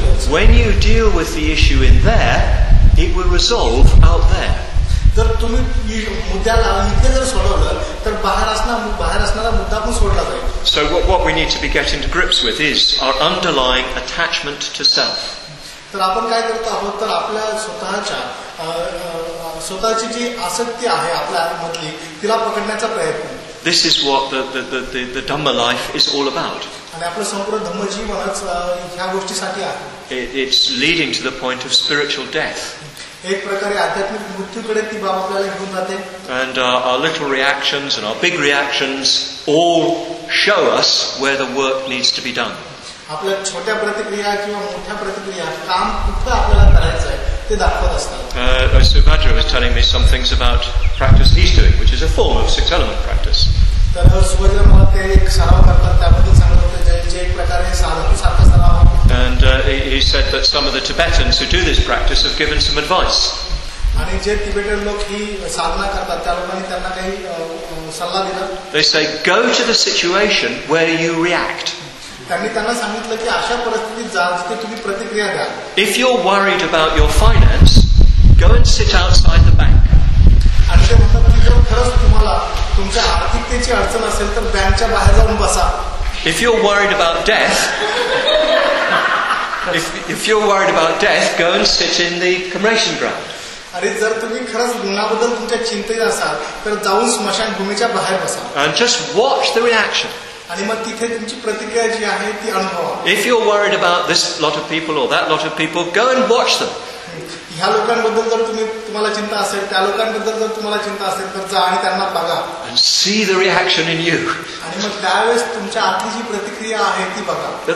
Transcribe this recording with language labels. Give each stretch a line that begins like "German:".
English: When you deal with the issue in there, it will resolve out there.
Marathi: जर तुम्ही मुद्दा इथे जर सोडवलं तर बाहेर असणारा मुद्दा पण सोडला जाईल.
English: So what we need to be getting to grips with is our underlying attachment to self.
Marathi: तर आपण काय करतो आहोत तर आपल्या स्वतःच्या स्वतःची जी आसक्ती आहे आपल्या आतमधली तिला पकडण्याचा प्रयत्न.
English: This is what the Dhamma life is all about.
Marathi: आणि आपलं संपूर्ण धम्मजीवनच ह्या गोष्टीसाठी आहे.
English: It's leading to the point of spiritual death.
Marathi: एक प्रकारे आध्यात्मिक मृत्यूकडे ती बाब आपल्याला घेऊन जाते.
English: And our little reactions and our big reactions all show us where the work needs to be done.
Marathi: आपल्या छोट्या प्रतिक्रिया किंवा मोठ्या प्रतिक्रिया काम कुठं आपल्याला करायचं आहे ते दाखवत असतात.
English: Subhadra was telling me some things about practice he's doing, which is a form of six element practice.
Marathi: तर सुभद्रा मला ते एक सराव करतात त्याबद्दल सांगत होते जे एक प्रकारे साधू सारखा सराव.
English: And he said that some of the Tibetans who do this practice have given some advice.
Marathi: आणि जे तिबेटन लोक ही साधना करतात त्या लोकांनी त्यांना काही सल्ला दिला.
English: They say go to the situation where you react.
Marathi: त्यांनी त्यांना सांगितलं की अशा परिस्थितीत जा जिथे तुम्ही प्रतिक्रिया द्या.
English: If you're worried about your finance, go and sit outside the bank.
Marathi: आणि ते म्हणतात की जर खरंच तुम्हाला तुमच्या आर्थिकतेची अडचण असेल तर बँकच्या बाहेर जाऊन बसा.
English: If you're worried about death, if you're worried about death, go and sit in the cremation ground.
Marathi: अरे जर तुम्ही खरंच मृत्यूबद्दल तुमच्या चिंतेत असाल तर जाऊन स्मशानभूमीच्या बाहेर बसा.
English: And just watch the reaction.
Marathi: आणि मग तिथे तुमची प्रतिक्रिया जी आहे ती अनुभवा.
English: If you're worried about this lot of people or that lot of people, go and watch them.
Marathi: ह्या लोकांबद्दल जर तुम्हाला चिंता असेल त्या लोकांबद्दल जर तुम्हाला चिंता असेल तर जा आणि त्यांना बघा.
English: And see the reaction in you.
Marathi: आणि मग त्यावेळेस तुमच्या आतली जी प्रतिक्रिया आहे ती बघा.